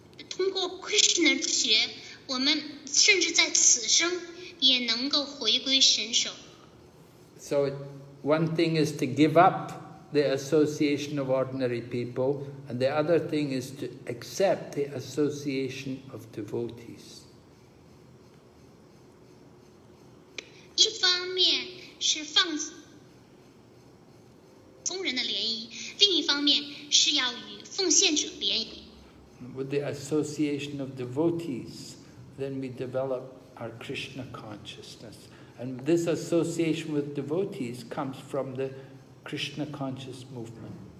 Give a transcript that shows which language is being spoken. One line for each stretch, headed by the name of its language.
Chinese: 通过 Krishna 知觉，我们甚至在此生也能够回归神手。
English: So one thing is to give up the association of ordinary people, and the other thing is to accept the association of devotees.
Chinese: 一方面是放僧人的联谊，另一方面是要与奉献者联谊。
English: With the association of devotees, then we develop our Krishna consciousness. And this association with devotees comes from the Krishna conscious movement.